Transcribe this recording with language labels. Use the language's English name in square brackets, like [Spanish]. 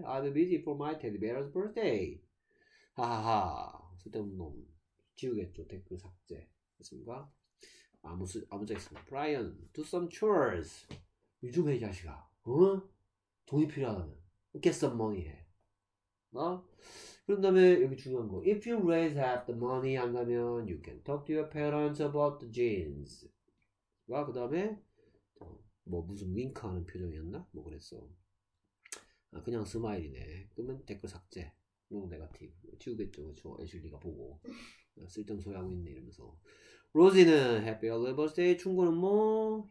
[English] I'm busy for my teddy bear's birthday. [Korean] 하하하. 쓸데없는 놈. 지우겠죠. 댓글 삭제. 됐습니까? 아무 짝 있습니다. [English] Brian, do some chores. [Korean] 요즘 해, 이 자식아. 응? 돈이 필요하다면. [English] Get some money [Korean] 해. 어? 그런 다음에 여기 중요한 거. [English] If you raise half the money [Korean] 한다면, [English] you can talk to your parents about the jeans. [Korean] 와, 그 다음에, 뭐 무슨 윙크하는 표정이었나? 뭐 그랬어. 아, 그냥 스마일이네. 그러면 댓글 삭제. 너무 네거티브. 지우겠죠. 저 애슐리가 보고. 쓸데없는 소리 하고 있네. 이러면서. 로지는 [English] happy early birthday. [Korean] 충고는 뭐?